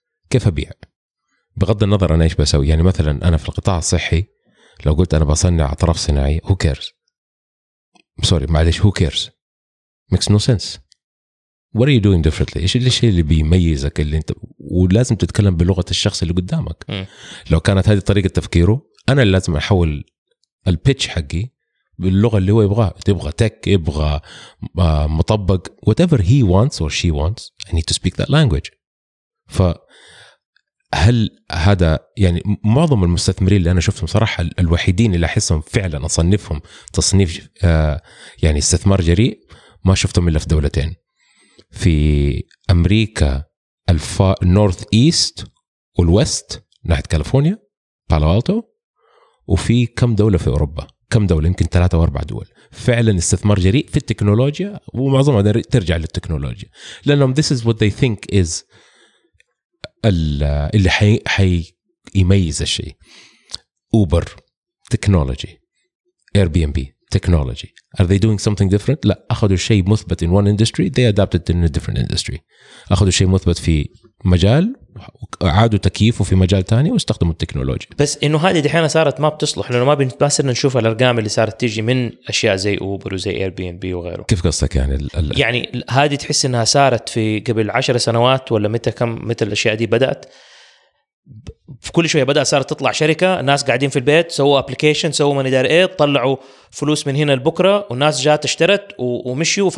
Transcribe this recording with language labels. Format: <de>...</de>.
<ar>كيف أبيع بغض النظر أنا إيش بسوي. يعني مثلا أنا في القطاع الصحي لو قلت أنا بصنع أطراف صناعية,</ar> <en>who cares, sorry</en> <ar>معلش,</ar> <en>who cares, makes no sense, what are you doing differently,</en> <ar>إيش الشيء اللي بيميزك اللي أنت, ولازم تتكلم بلغة الشخص اللي قدامك. لو كانت هذه طريقة تفكيره, أنا اللي لازم أحول البيتش حقي باللغة اللي هو يبغاه. تبغى تك, يبغى مطبق,</ar> <en>whatever he wants or she wants, I need to speak that language.</en> <ar>ف هل هذا يعني معظم المستثمرين اللي أنا شفتهم صراحة الوحيدين اللي أحسهم فعلا أصنفهم تصنيف يعني استثمار جريء, ما شفتهم إلا في دولتين, في أمريكا النورث إيست والوست ناحية كاليفورنيا بالو ألتو, وفي كم دولة في أوروبا, كم دولة يمكن 3 أو 4 دول فعلا استثمار جريء في التكنولوجيا, ومعظمها ترجع للتكنولوجيا لأنهم</ar> <en>this is what they think is</en> <ar>اللي حي يميز الشيء. أوبر تكنولوجي,</ar> <en>Airbnb</en> <ar>تكنولوجي,</ar> <en>are they doing something different؟</en> <ar>لا, أخذوا شيء مثبت</ar> <en>in one industry, they adapted in a different industry.</en> <ar>أخذوا شيء مثبت في مجال عادوا تكييفه في مجال تاني واستخدموا التكنولوجيا. بس إنه هذه دحين صارت ما بتصلح, لأنه ما بنتبصر نشوف الأرقام اللي صارت تيجي من أشياء زي أوبر وزي Airbnb وغيره. كيف قصدك يعني؟ يعني هذه تحس إنها صارت في قبل 10 سنوات ولا متى, كم متى الأشياء دي بدأت؟ في كل شوية بدأت صارت تطلع شركة, ناس قاعدين في البيت سووا أبليكيشن, سووا من إدارة إيه, طلعوا فلوس من هنا لبكرة, وناس جات اشترت ومشيوا.</ar>